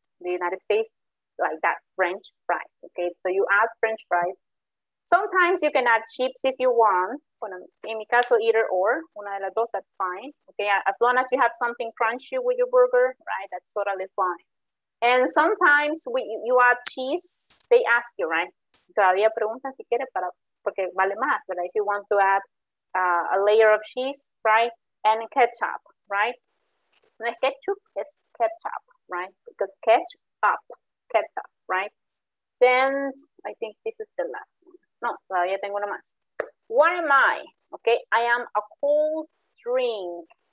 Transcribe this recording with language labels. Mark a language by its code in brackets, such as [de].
[en] In the United States, like that, French fries, okay? So you add French fries. Sometimes you can add chips if you want. [es] Bueno, en mi caso, [en] either or, [es] una de las dos, [en] that's fine. Okay, as long as you have something crunchy with your burger, right? That's totally fine. And sometimes you add cheese, they ask you, right? [es] Todavía preguntan si quiere para, porque vale más, ¿verdad? [en] If you want to add a layer of cheese, right? And ketchup, right? [es] No es ketchup, es ketchup, [en] right? Because ketchup, right? Then, I think this is the last one. [es] No, todavía tengo una más. [en] What am I? Okay, I am a cold drink.